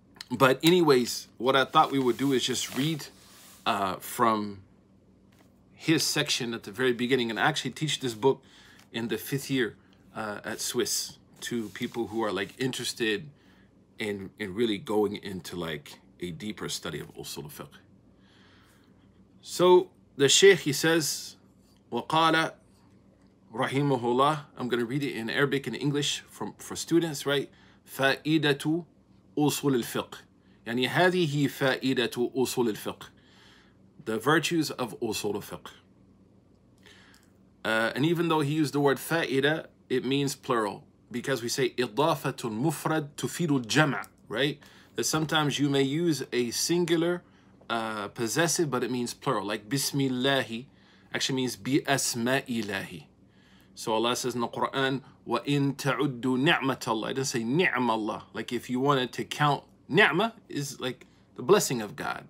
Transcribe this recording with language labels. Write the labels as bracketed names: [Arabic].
[English] But anyways, what I thought we would do is just read from his section at the very beginning, and I actually teach this book in the fifth year at Swiss to people who are like interested in really going into like a deeper study of usul al-fiqh. So the sheikh, he says, [Arabic] وَقَالَ رَحِيمُهُ اللَّهُ, [English] I'm going to read it in Arabic and English for students, right? [Arabic] فَإِدَةُ أُصُول الفقه. يعني هذه فائدة أُصُول الفقه. [English] The virtues of أُصُول الفقه. And even though he used the word فائدة, it means plural. Because we say [Arabic] إضافة المفرد تفيد الجمع, right? [English] That sometimes you may use a singular possessive, but it means plural. [Arabic] Like بسم الله [English] actually means [Arabic] بأسماء الله. [English] So Allah says in the Quran, [Arabic] وَإِن تَعُدُّ نِعْمَةَ اللَّهِ. [English] It doesn't say [Arabic] نِعْمَ اللَّهِ. [English] Like if you wanted to count, نِعْمَ is like the blessing of God.